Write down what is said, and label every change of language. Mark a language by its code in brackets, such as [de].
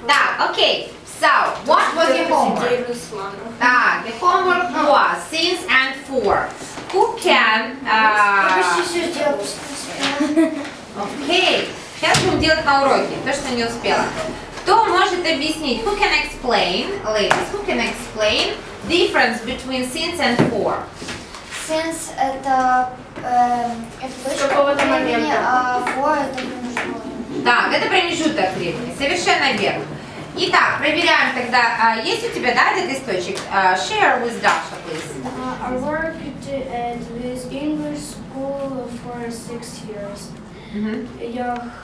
[ru] Так, окей. [en] So, what was your homework? [ru] Так, [en] the homework was since and for. Who can... [ru] Окей. Сейчас будем делать на уроке то, что не успела. Кто может объяснить? [en] Who can explain, ladies? Who can explain difference between since and for? [ru] Since это точка какого-то времени, момента. А for это промежуток. Так, это промежуток времени. Совершенно верно. Итак, проверяем тогда. Есть у тебя, да, этот источник? [en] Share with Dasha, please. I worked at this English school for 6 years.